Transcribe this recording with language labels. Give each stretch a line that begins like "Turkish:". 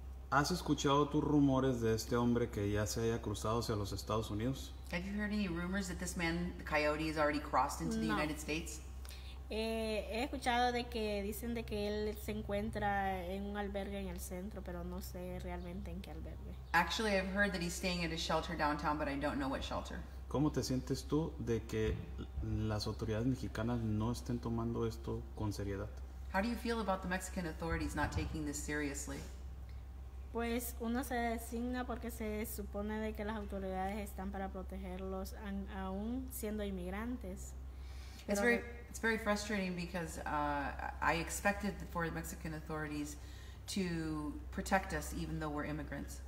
Spanish: ¿Has escuchado tus rumores de este hombre que ya se haya cruzado hacia los Estados Unidos?
English: Have you heard any rumors that this man, the coyote, has already crossed into the United States?
Spanish: He escuchado de que dicen de que él se encuentra en un albergue en el centro, pero no sé realmente en qué albergue.
English: Actually, I've heard that he's staying at a shelter downtown, but I don't know what shelter.
Spanish: ¿Cómo te sientes tú de que las autoridades mexicanas no estén tomando esto con seriedad?
English: How do you feel about the Mexican authorities not taking this seriously?
Spanish: Pues uno se designa porque se supone de que las autoridades están para protegerlos aún siendo inmigrantes.
English: It's very frustrating because I expected for the Mexican authorities to protect us even though we're immigrants.